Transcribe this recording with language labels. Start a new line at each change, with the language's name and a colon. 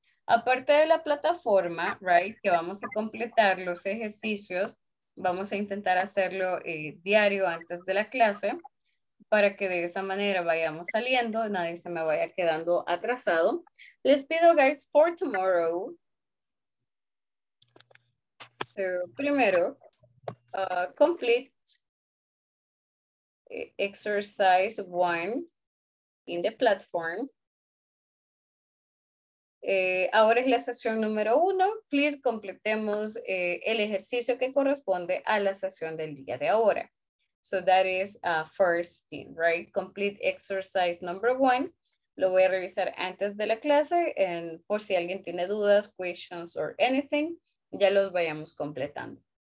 Spanish: Aparte de la plataforma, right, que vamos a completar los ejercicios, vamos a intentar hacerlo diario antes de la clase para que de esa manera vayamos saliendo, nadie se me vaya quedando atrasado.
English: Les pido, guys, for tomorrow. So, primero, complete exercise one in the platform.
Spanish: Ahora es la sesión número uno. Please, completemos el ejercicio que corresponde a la sesión del día de ahora.
English: So that is first thing, right? Complete exercise number one.
Spanish: Lo voy a revisar antes de la clase, and por si alguien tiene dudas, questions, or anything, ya los vayamos completando.